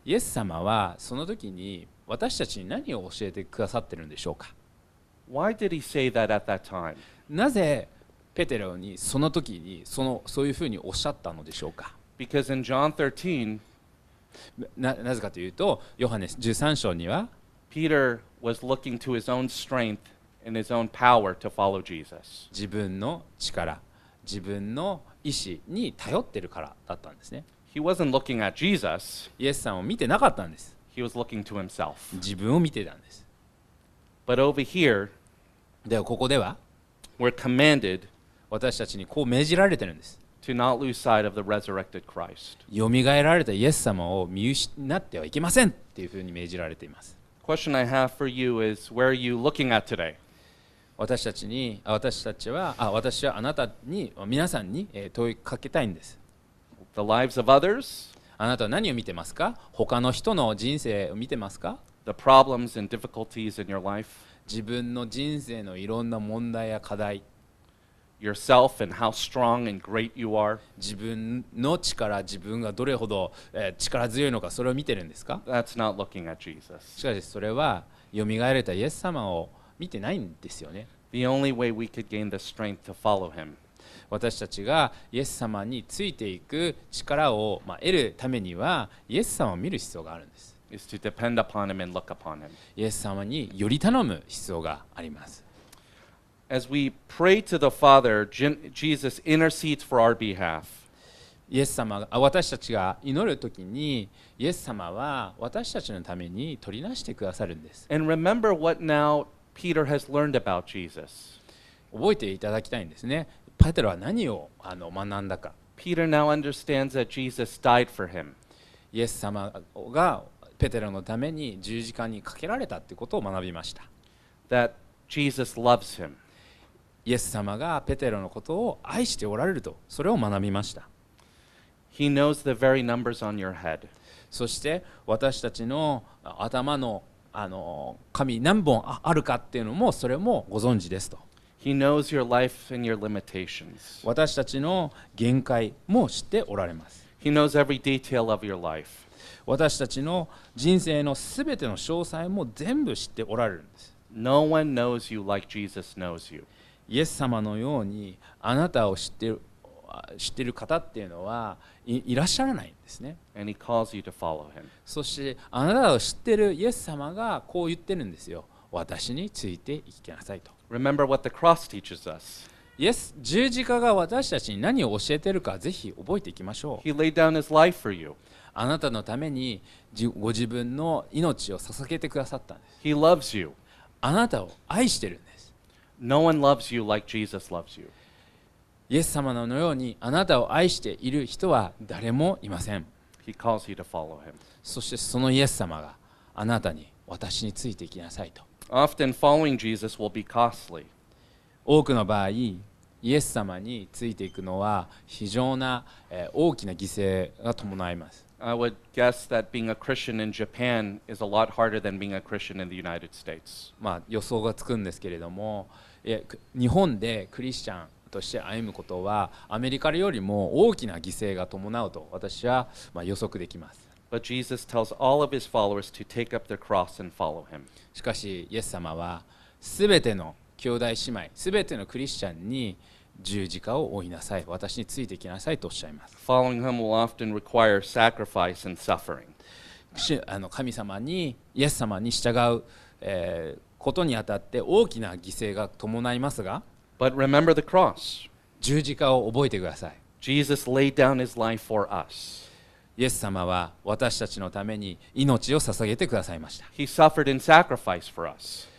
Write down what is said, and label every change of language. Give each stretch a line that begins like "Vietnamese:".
Japanese: イエス様はその時に私たちに何を教えてくださってるんでしょうか。
English: Why did he say that at that time?
Japanese: なぜペテロにその時にそういうふうにおっしゃったのでしょうか。
English: Because in John 13,
Japanese: なぜかというと、ヨハネ13章には、
English: Peter was looking to his own strength and his own power to follow Jesus.
Japanese: 自分の力、自分の意志に頼ってるからだったんですね。
English: He wasn't looking at Jesus.
Japanese: イエスさんを見てなかったんです。
English: He was looking to himself.
Japanese: 自分を見てたんです。
English: But over here,
Japanese: ではここでは、
English: We're commanded
Japanese: 私たちにこう命じられてるんです。
English: To not lose sight of the resurrected Christ.
Japanese: よみがえられたイエス様を見失ってはいけませんっていうふうに命じられています。
English: Question I have for you is, where are you looking at today?
Japanese: 私はあなたに、皆さんに問いかけたいんです。
English: The lives of others?
Japanese: あなたは何を見てますか？他の人の人生を見てますか？
English: The problems and difficulties in your life?
Japanese: 自分の人生のいろんな問題や課題、
English: yourself and how strong and great you are.
Japanese: 自分の力、自分がどれほど、力強いのか、それを見てるんですか？
English: That's not looking at Jesus.
Japanese: しかしそれは蘇られたイエス様を見てないんですよね。
English: The only way we could gain the strength to follow him.
Japanese: 私たちがイエス様についていく力を、まあ、得るためにはイエス様を見る必要があるんです。
English: Is to depend upon him and look upon him.
Japanese: イエス様により頼む必要があります。
English: As we pray to the Father, Jesus intercedes for our behalf.
Japanese: イエス様、私たちが祈るときに、イエス様は私たちのために取りなしてくださるんです。
English: And remember what now Peter has learned about Jesus.
Japanese: 覚えていただきたいんですね。ペテロは何を学んだか。
English: Peter now understands that Jesus died for him.
Japanese: イエス様がペテロのために十字架にかけられたってことを学びました。
English: That Jesus loves him.
Japanese: イエス様がペテロのことを愛しておられると、それを学びました。
English: He knows the very numbers on your head.
Japanese: そして私たちの頭の、髪何本あるかっていうのもそれもご存知ですと。
English: He knows your life and your limitations.
Japanese: 私たちの限界も知っておられます。
English: He knows every detail of your life.
Japanese: 私たちの人生のすべての詳細も全部知っておられるんです。
English: No one knows you like Jesus knows you.
Japanese: イエス様のようにあなたを知っている方っていうのは いらっしゃらないんですね。
English: And he calls you to follow him.
Japanese: そしてあなたを知っているイエス様がこう言ってるんですよ。私についていきなさいと。
English: Remember what the cross teaches us.
Japanese: イエス、十字架が私たちに何を教えているかぜひ覚えていきましょう。
English: He laid down his life for you.
Japanese: あなたのためにご自分の命を捧げてくださったんです。
English: He loves you.
Japanese: あなたを愛してるんです。
English: No one loves you like Jesus loves you.
Japanese: イエス様のようにあなたを愛している人は誰もいません。
English: He calls you to follow him.
Japanese: そしてそのイエス様があなたに私についていきなさいと。
English: Often following Jesus will be costly.
Japanese: 多くの場合、イエス様についていくのは非常な、大きな犠牲が伴います。
English: I would guess that being a Christian in Japan is a lot harder than being a Christian in the United States.
Japanese: まあ予想がつくんですけれども、日本でクリスチャンとして歩むことはアメリカよりも大きな犠牲が伴うと私は、まあ、予測できます。
English: But Jesus tells all of his followers to take up their cross and follow him.
Japanese: しかしイエス様はすべての兄弟姉妹、すべてのクリスチャンに十字架を追いなさい、私についていきなさいとおっしゃいます。
English: Following him will often require sacrifice and suffering.
Japanese: 神様に、イエス様に従う、ことにあたって大きな犠牲が伴いますが、
English: But remember the cross.
Japanese: 十字架を覚えてください。
English: Jesus laid down his life for us.
Japanese: イエス様は私たちのために命を捧げてくださいました。
English: He suffered in sacrifice for us.